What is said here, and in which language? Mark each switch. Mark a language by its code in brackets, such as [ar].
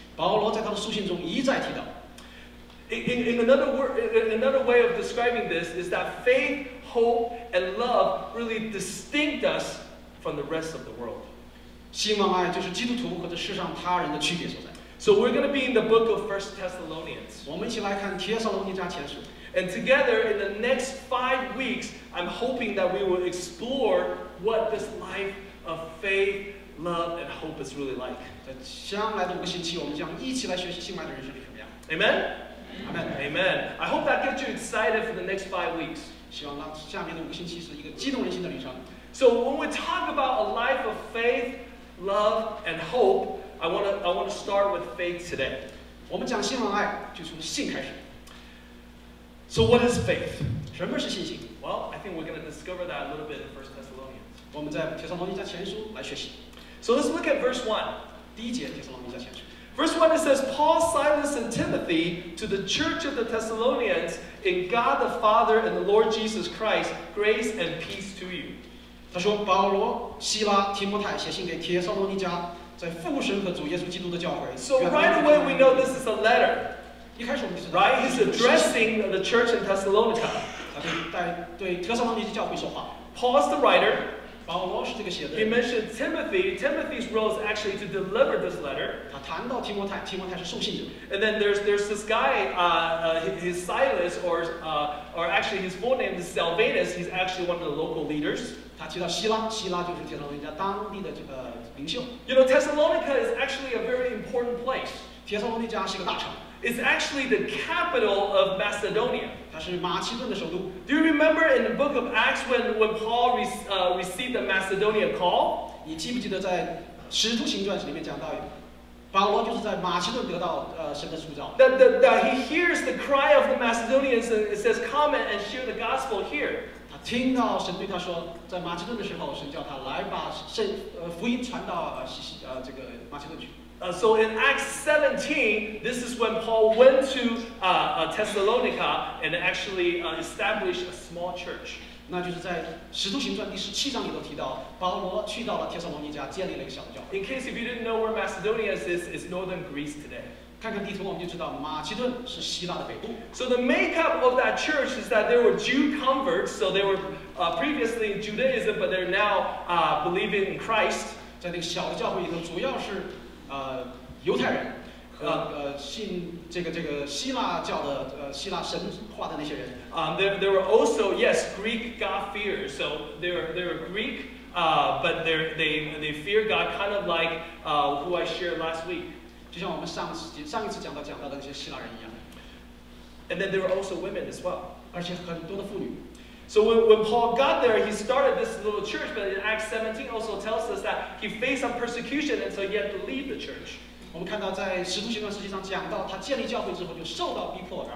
[zh] 保罗在他的书信中一再提到。 [en] In another way of describing this is that faith, hope, and love really distinct us from the rest of the world. [zh] 希望爱就是基督徒和这世上他人的区别所在。 [en] So we're going to be in the book of 1 Thessalonians. [zh] 我们一起来看《帖撒罗尼迦前书》。 [en] And together, in the next 5 weeks, I'm hoping that we will explore what this life of faith, love, and hope is really like. [zh] 在将来的五个星期，我们将一起来学习新来的人是什么样。 [en] Amen? Amen. Amen. I hope that gets you excited for the next 5 weeks. [zh] 希望让下面的五个星期是一个激动人心的旅程。 [en] So when we talk about a life of faith, love, and hope,I want to start with faith today. [zh] 我们讲信仰爱就从信开始。 [en] So what is faith? [zh] 什么是信心？ [en] Well, I think we're going to discover that a little bit in 1 Thessalonians. [zh] 我们在帖撒罗尼迦前书来学习。 [en] So let's look at verse 1. [zh] 第一节帖撒罗尼迦前书。 [en] Verse 1, it says, Paul, Silas, and Timothy to the church of the Thessalonians in God the Father and the Lord Jesus Christ, grace and peace to you. [zh] 他说保罗、希拉、提摩太写信给帖撒罗尼迦在父神和主耶稣基督的教会。 [en] So right away we know this is a letter. [zh] 一开始我们就知道。 [en] Right, he's addressing the church in Thessalonica. [zh] 对帖撒罗尼迦教会说话。 [en] Paul's the writer. [zh] 保罗是这个写的。 [en] He mentioned Timothy. Timothy's role is actually to deliver this letter. [zh] 他谈到提摩太，提摩太是受信者。 [en] And then there's this guy, his Silas, or actually his full name is Salvatus. He's actually one of the local leaders. [zh] 他提到希拉，希拉就是帖撒罗尼迦当地的这个领袖。 [en] You know, Thessalonica is actually a very important place. [zh] 帖撒罗尼迦是一个大城。 [en] It's actually the capital of Macedonia. [zh] 它是马其顿的首都。 [en] Do you remember in the book of Acts when Paul received the Macedonia call? [zh] 你记不记得在《使徒行传》里面讲到，保罗就是在马其顿得到神的呼召。 [en] That he hears the cry of the Macedonians and it says, "Come and share the gospel here." [zh] 听到神对他说，在马其顿的时候，神叫他来把福音传到这个马其顿去。 [en] So in Acts 17, this is when Paul went to Thessalonica and actually established a small church. [zh] 那就是在使徒行传第十七章里头提到，保罗去到了帖撒罗尼迦，建立了一个小的教会。 [en] In case if you didn't know where Macedonia is, it's northern Greece today. [zh] 看看地图，我们就知道马其顿是希腊的北部。 [en] So the makeup of that church is that there were Jew converts, so they were previously in Judaism, but they're now believing in Christ. [zh] 在那个小的教会里头，主要是犹太人和信这个希腊教的希腊神话的那些人。 [en] There were also yes Greek God-fearers, so they're Greek, but they fear God kind of like who I shared last week. [zh] 就像我们上一次讲到的那些希腊人一样。 [en] And then there were also women as well. [zh] 而且很多的妇女。 [en] So when Paul got there, he started this little church, but in Acts 17 also tells us that he faced some persecution and so he had to leave the church. [zh] 我们看到在使徒行传实际上讲到他建立教会之后就受到逼迫。